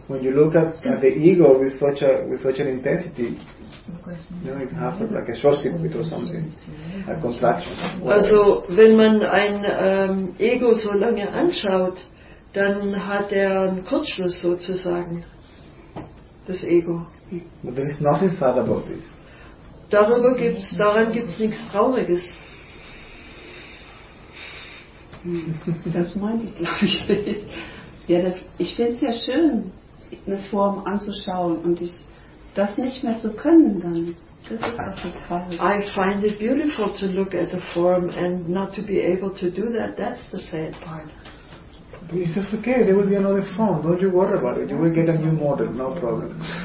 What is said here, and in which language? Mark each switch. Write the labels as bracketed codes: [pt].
[en] When you look at the ego with such a intensity, you know, it happens like a short circuit or something, a contraction. [de] Also wenn man ein Ego so lange anschaut, dann hat er einen Kurzschluss sozusagen, das Ego. [en] But there is nothing sad about this. [de] Daran gibt's nichts Trauriges. Das meinte ich, glaube ich. Ja, ich finde es ja schön, eine Form anzuschauen und das nicht mehr zu können dann. Das ist auch so toll. [en] I find it beautiful to look at the form and not to be able to do that. That's the sad part. But it's just okay, there will be another form. Don't you worry about it. You will get a new model, no problem.